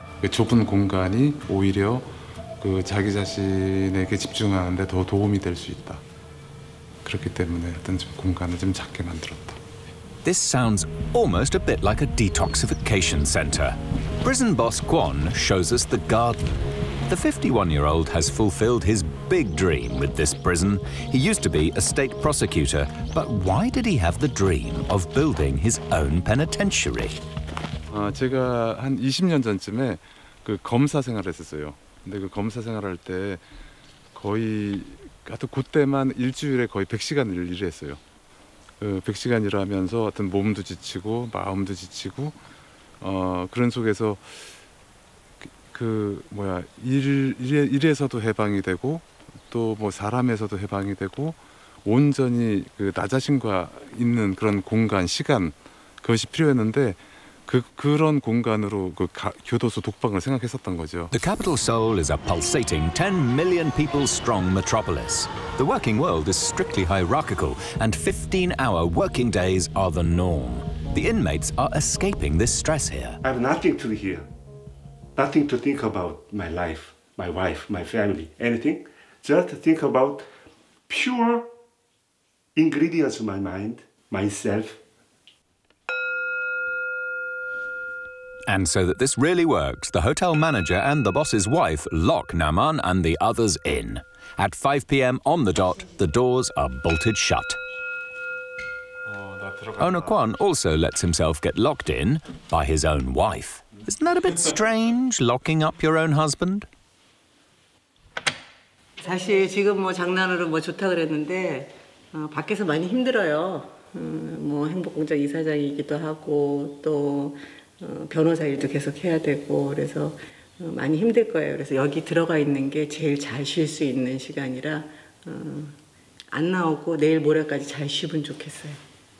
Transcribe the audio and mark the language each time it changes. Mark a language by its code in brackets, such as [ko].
[ko] 좁은 공간이 오히려 그 자기 자신에게 집중하는 데 더 도움이 될 수 있다. 그렇기 때문에 어떤 좀 공간을 좀 작게 만들었다. [en] This sounds almost a bit like a detoxification center. Prison boss Kwon shows us the garden. The 51-year-old has fulfilled his big dream with this prison. He used to be a state prosecutor, but why did he have the dream of building his own penitentiary? 제가 한 20년 전쯤에 그 검사 생활을 했었어요. 근데 그 검사 생활할 때 거의 하여튼 그때만 일주일에 거의 100시간을 일했어요. 100시간 일하면서 하여튼 몸도 지치고 마음도 지치고 그런 속에서 일에서도 해방이 되고 또 뭐 사람에서도 해방이 되고 온전히 그 나 자신과 있는 그런 공간, 시간 그것이 필요했는데 그런 공간으로 그 교도소 독방을 생각했었던 거죠. The capital Seoul is a pulsating 10 million people strong metropolis. The working world is strictly hierarchical and 15-hour working days are the norm. The inmates are escaping this stress here. I have nothing to hear. Nothing to think about my life, my wife, my family, anything. Just think about pure ingredients in my mind, myself. And so that this really works, the hotel manager and the boss's wife lock Nam An and the others in. At 5 p.m. on the dot, the doors are bolted shut. Owner Kwon also lets himself get locked in by his own wife. Isn't that a bit strange, locking up your own husband? [ko] 사실 지금 뭐 장난으로 뭐 좋다 그랬는데 밖에서 많이 힘들어요. 뭐 행복공장 이사장이기도 하고 또 변호사 일도 계속 해야 되고 그래서 많이 힘들 거예요. 그래서 여기 들어가 있는 게 제일 잘 쉴 수 있는 시간이라 안 나오고 내일 모레까지 잘 쉬면 좋겠어요.